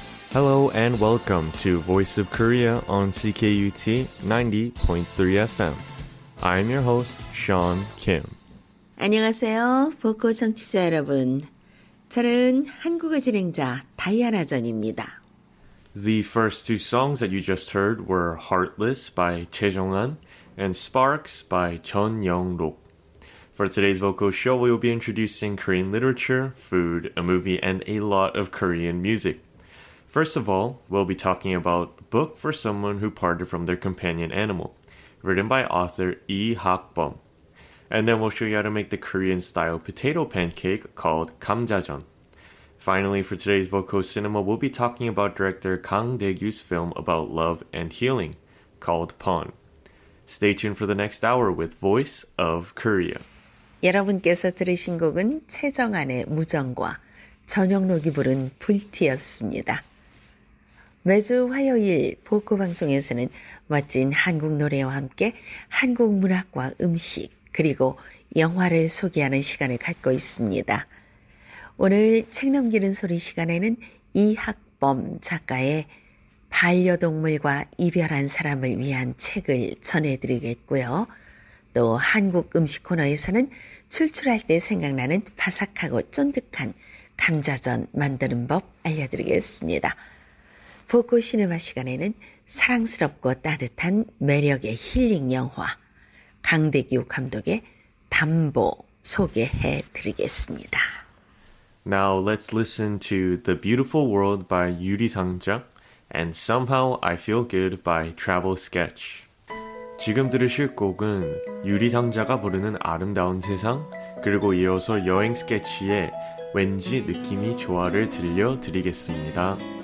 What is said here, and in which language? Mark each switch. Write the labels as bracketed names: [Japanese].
[English] Hello and welcome to Voice of Korea on CKUT 90.3 FM. I'm your host, Sean Kim. [Korean] 안녕하세요, 보컬 청취자 여러분. 저는 한국어 진행자 다이아나 전입니다. [English] The first two songs that you just heard were Heartless by Choi Jong-un and Sparks by Chun Young-rok. For today's vocal show, we will be introducing Korean literature, food, a movie, and a lot of Korean music. First of all, we'll be talking about Book for Someone Who Parted from Their Companion Animal, written by author Lee Hak-bum. And then we'll show you how to make the Korean-style potato pancake called Gamjajeon. Finally, for today's vocal cinema, we'll be talking about director Kang Dae-gyu's film about love and healing, called Pawn. Stay tuned for the next hour with Voice of Korea. [Korean] 여러분께서 들으신 곡은 최정안의 무정과 전영록이 부른 불티였습니다. 매주 화요일 보코 방송에서는 멋진 한국 노래와 함께 한국 문학과 음식 그리고 영화를 소개하는 시간을 갖고 있습니다. 오늘 책 넘기는 소리 시간에는 이학범 작가의 반려동물과 이별한 사람을 위한 책을 전해드리겠고요. 또 한국 음식 코너에서는 출출할 때 생각나는 바삭하고 쫀득한 감자전 만드는 법 알려드리겠습니다. 보코 시네마 시간에는 사랑스럽고 따뜻한 매력의 힐링 영화 강대규 감독의 담보 소개해드리겠습니다. [English] Now let's listen to The Beautiful World by Yuri Sang-jung and Somehow I Feel Good by Travel Sketch. [Korean] 지금 들으실 곡은 유리 상자가 부르는 아름다운 세상 그리고 이어서 여행 스케치의 왠지 느낌이 좋아를 들려드리겠습니다.